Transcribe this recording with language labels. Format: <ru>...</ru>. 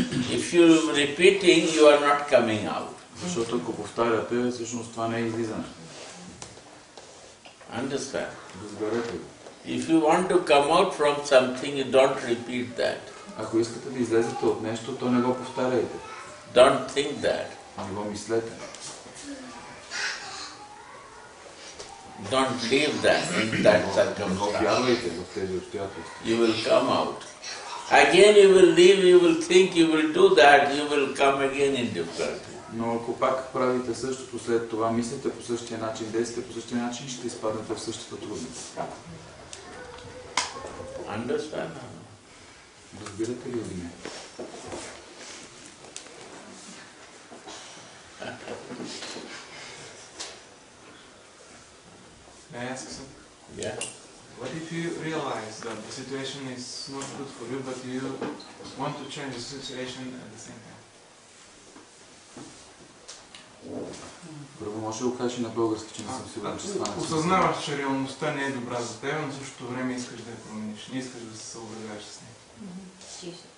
<en>If you repeating, you are not coming out.</en> <bg>Защото ако повтаряте, всъщност това не е излизане.</bg> <en>Understand. If you want to come out from something, you don't repeat that.</en> <bg>Ако искате да излезете от нещо, то не го повтаряйте.</bg> <en>Don't think that.</en> <bg>Не го мислете.</bg> <en>Don't leave that in that circumstance. You will come out. Again you will leave, you will think, you will do that, you will come again in difficulty.</en> <bg>Но ако пак правите същото след това, мислите по същия начин, действате по същия начин, ще изпаднете в същата трудност.</bg> <en>Understand?</en> <bg>Разбирате ли или не?</bg> <en>May I ask something? Yeah. What if you realize that the situation is not good for you, but you want to change the situation at the same time?</en> <bg>Първо може да го кажеш на български, че не съм сигурен, че стане. Осъзнаваш, че реалността не е добра за теб, но в същото време искаш да я промениш. Не искаш да се съобразяваш с нея.</bg>